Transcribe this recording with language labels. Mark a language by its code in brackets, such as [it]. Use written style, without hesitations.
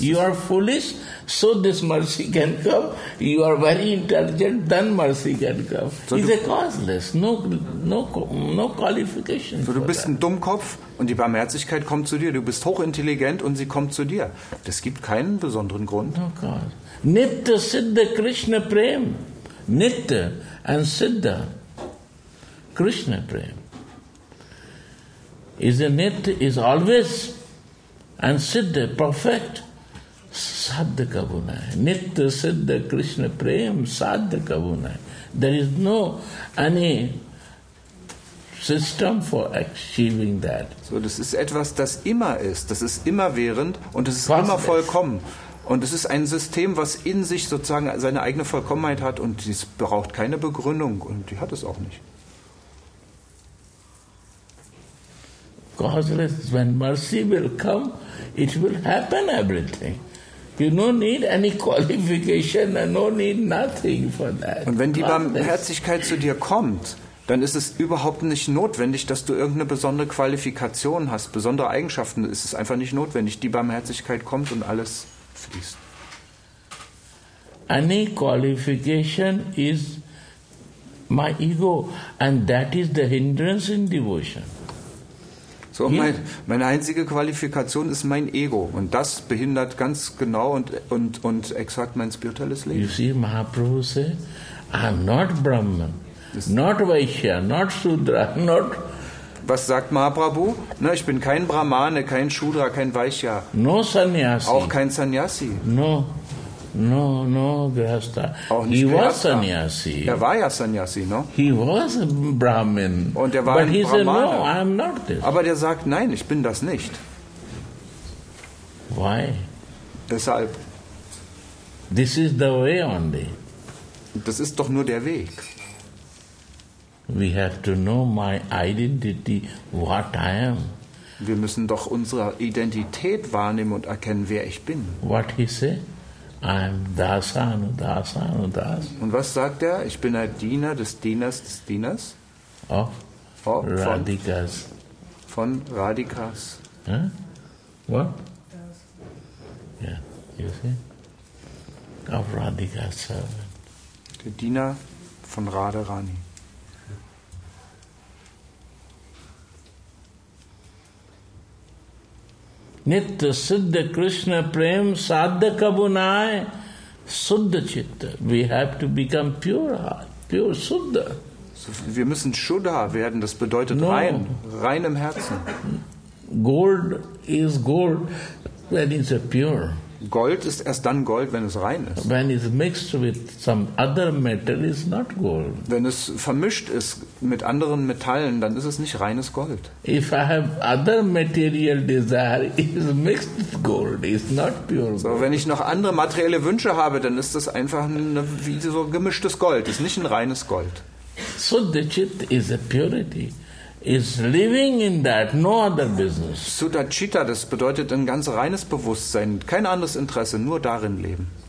[en] You are foolish, so this mercy can come. You are very intelligent, then mercy can come. It's a causeless. No qualification. [de] So du bist ein Dummkopf und die Barmherzigkeit kommt zu dir. Du bist hochintelligent und sie kommt zu dir. Das gibt keinen besonderen Grund. [en] No God. Nitya Siddha Krishna Prem. Nitya and Siddha Krishna Prem. Is a net is always and siddha perfect sadhaka bunai. [bn] Nitya siddha Krishna Prem sadhaka bunai. [en] There is no any system for achieving that. [de] So das ist etwas, das immer ist, das ist immerwährend und es ist Perfect. Immer vollkommen. Und es ist ein System, was in sich sozusagen seine eigene Vollkommenheit hat und es braucht keine Begründung und die hat es auch nicht. [en] Causeless, when mercy will come, it will happen everything. You no need any qualification, no need nothing for that. [de] Und wenn die Barmherzigkeit zu dir kommt, dann ist es überhaupt nicht notwendig, dass du irgendeine besondere Qualifikation hast, besondere Eigenschaften, es ist einfach nicht notwendig. Die Barmherzigkeit kommt und alles fließt. [en] Any qualification is my ego, and that is the hindrance in devotion. [de] So, meine einzige Qualifikation ist mein Ego. Und das behindert ganz genau und exakt mein spirituelles Leben. [en] You see, Mahaprabhu say, I'm not Brahman, not Vaishya, not Sudra, not... [de] Was sagt Mahaprabhu? Na, ich bin kein Brahmane, kein Shudra, kein Vaishya. [en] No Sannyasi. [de] Auch kein Sannyasi. [en] No, Grihastha. [de] Auch nicht [en] Grihastha. He was Sannyasi. [de] Er war ja Sannyasi, no? [en] He was a Brahmin. [de] Und er war [en] But [de] ein [en] he [de] Brahmane. [en] Said, no, I am not this. [de] Aber der sagt, nein, ich bin das nicht. [en] Why? [de] Deshalb. [en] This is the way only. [de] Das ist doch nur der Weg. [en] We have to know my identity, what I am. [de] Wir müssen doch unsere Identität wahrnehmen und erkennen, wer ich bin. [en] What he said? I am Dasanu, Dasanu, Dasanu. [de] Und was sagt er? Ich bin ein Diener des Dieners des Dieners. [en] Of Radhikas. [de] Von Radhikas. [en] Huh? What? Das. Yeah, you see? Of Radhikas servant. [de] Der Diener von Radharani. [bn] Nitya Siddha Krishna Prem Sadhya Kabunai Suddha Chitta. [en] We have to become pure heart, pure Suddha. [de] So, wir müssen Shuddha werden, das bedeutet no. rein, rein im Herzen. [en] Gold is gold when it's pure. [de] Gold ist erst dann Gold, wenn es rein ist. [en] When it's mixed with some other metal, it's not gold. [de] Wenn es vermischt ist mit anderen Metallen, dann ist es nicht reines Gold. [en] If I have other material desire, it's mixed with gold, it's not pure gold. [de] So, wenn ich noch andere materielle Wünsche habe, dann ist das einfach wie so gemischtes Gold, ist nicht ein reines Gold. [en] So the chit is a purity. Is living in that, no other business. [de] Sudachita, das bedeutet ein ganz reines Bewusstsein, kein anderes Interesse, nur darin leben.